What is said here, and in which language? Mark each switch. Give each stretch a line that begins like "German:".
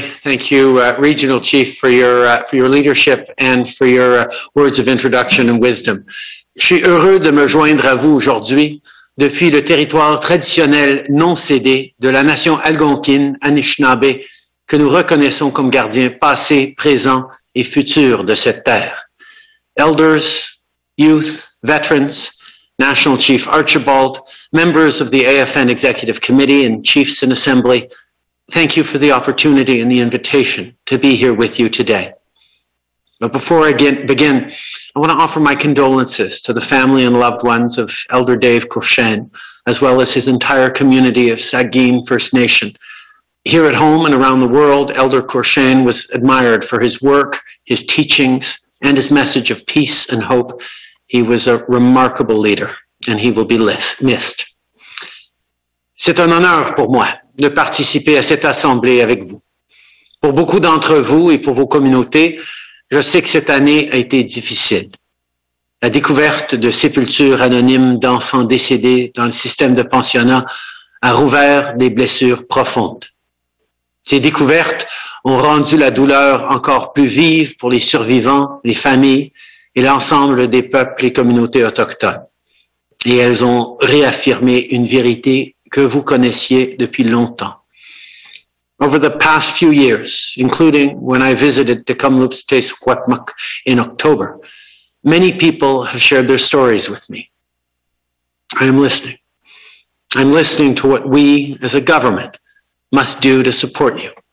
English: Thank you, Regional Chief, for your leadership and for your words of introduction and wisdom.
French: Je suis heureux de me joindre à vous aujourd'hui depuis le territoire traditionnel non cédé de la nation algonquine Anishinaabe que nous reconnaissons comme gardiens passés, présents et futurs de cette terre.
English: Elders, youth, veterans, National Chief Archibald, members of the AFN Executive Committee and Chiefs in Assembly, thank you for the opportunity and the invitation to be here with you today. But before I begin, I want to offer my condolences to the family and loved ones of Elder Dave Cochin, as well as his entire community of Saguin First Nation. Here at home and around the world, Elder Cochin was admired for his work, his teachings, and his message of peace and hope. He was a remarkable leader, and he will be missed.
French: C'est un honneur pour moi de participer à cette assemblée avec vous. Pour beaucoup d'entre vous et pour vos communautés, je sais que cette année a été difficile. La découverte de sépultures anonymes d'enfants décédés dans le système de pensionnat a rouvert des blessures profondes. Ces découvertes ont rendu la douleur encore plus vive pour les survivants, les familles et l'ensemble des peuples et communautés autochtones. Et elles ont réaffirmé une vérité que vous connaissiez depuis longtemps.
English: Over the past few years, including when I visited the Tecumloops Tehsequatmuk in October, many people have shared their stories with me. I am listening. I'm listening to what we as a government must do to support you.